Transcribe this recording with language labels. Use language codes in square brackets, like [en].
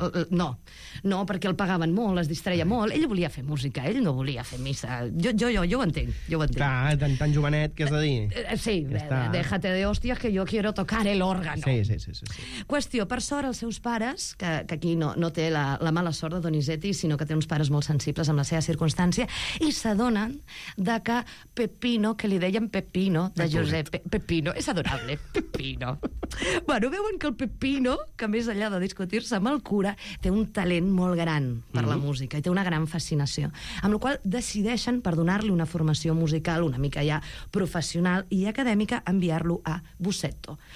[ca] No, perquè el pagaven molt, es distreia molt. Ell volia fer música, ell no volia fer missa. Jo ho entenc, Clar, tan jovenet, què has de dir? [es] Sí, déjate de hostias que yo quiero tocar el órgano. Sí. [ca] Qüestió. Per sort, els seus pares, que aquí no té la mala sort de Donizetti, sinó que té uns pares molt sensibles amb la seva circumstància, i s'adonen de que Pepino, que li deien Pepino, de Giuseppe, Pepino, és adorable, Pepino. Bueno, veuen que el Pepino, que més enllà de discutir-se amb el cura, té un talent molt gran per la música i té una gran fascinació, amb la qual decideixen, per donar-li una formació musical una mica ja professional i acadèmica, enviar-lo a Busseto.